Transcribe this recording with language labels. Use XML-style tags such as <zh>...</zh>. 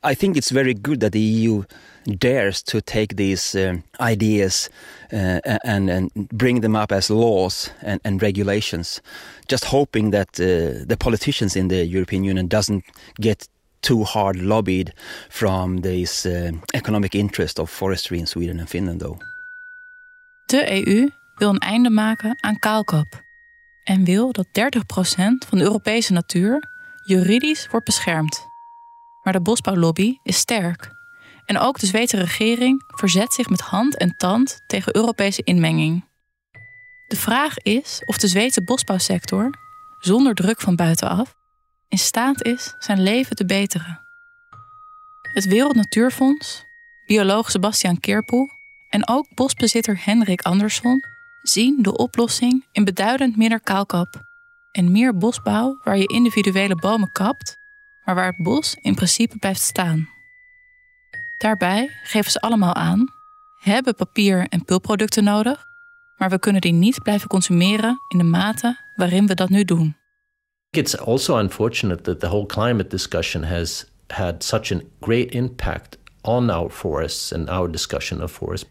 <en>I think it's very good that the EU dares to take these ideas and bring them up as laws and regulations, just hoping that the politicians in the European Union doesn't get too hard lobbied from this economic interest of forestry in Sweden and Finland, though.</en> <nl>De EU wil een einde maken aan kaalkap en wil dat 30% van de Europese natuur juridisch wordt beschermd. Maar de bosbouwlobby is sterk. En ook de Zweedse regering verzet zich met hand en tand tegen Europese inmenging. De vraag is of de Zweedse bosbouwsector, zonder druk van buitenaf, in staat is zijn leven te beteren. Het Wereld Natuurfonds, bioloog Sebastian Keerpoel en ook bosbezitter Hendrik Andersson zien de oplossing in beduidend minder kaalkap en meer bosbouw waar je individuele bomen kapt, maar waar het bos in principe blijft staan. Daarbij geven ze allemaal aan: hebben papier en pulpproducten nodig, maar we kunnen die niet blijven consumeren in de mate waarin we dat nu doen.</nl> <en>It's also unfortunate that the whole climate discussion has had such a great impact on our forests and our discussion of forests.</en>